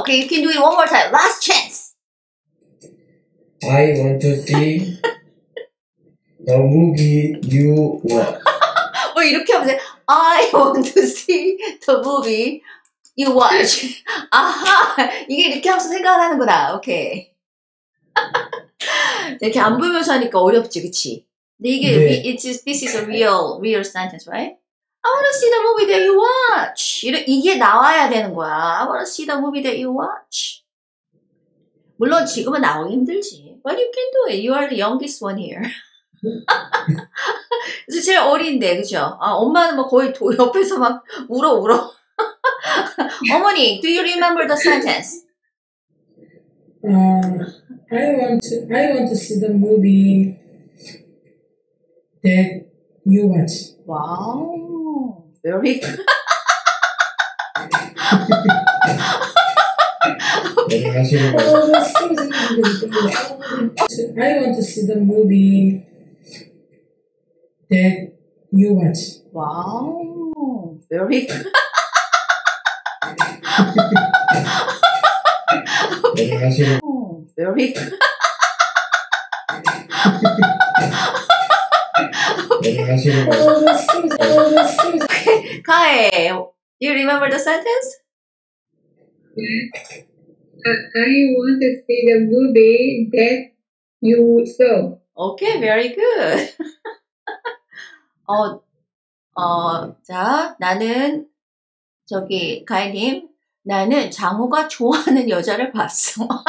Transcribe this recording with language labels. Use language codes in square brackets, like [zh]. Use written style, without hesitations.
[en] Okay, you can do it one more time. Last chance. I want to see the movie you watch. [ko] 뭐 이렇게 하면 돼. [en] I want to see the movie you watch. [ko] 아하, 이게 이렇게 하면서 생각을 하는구나. 오케이. 이렇게 안 보면서 하니까 어렵지, 그치? 근데 이게, 네. [en] This is a real sentence, right? I want to see the movie that you watch. [ko] 이게 나와야 되는 거야. [en] I want to see the movie that you watch. [ko] 물론 지금은 나오기 힘들지. [en] But you can do it. You are the youngest one here. [ko] 그래서 제일 어린데, 그죠? 아, 엄마는 뭐 거의 옆에서 막 울어, 울어. [en] 어머니, do you remember the sentence? I want to see the movie that you watch. Wow. Very good. I want to see the movie that you watch. Wow. Very good. Okay. Very okay, Kae, do you remember the sentence? I want to see the movie that you saw. Okay, very good. [ko] 자, 나는 저기 가이님, 나는 장호가 좋아하는 여자를 봤어.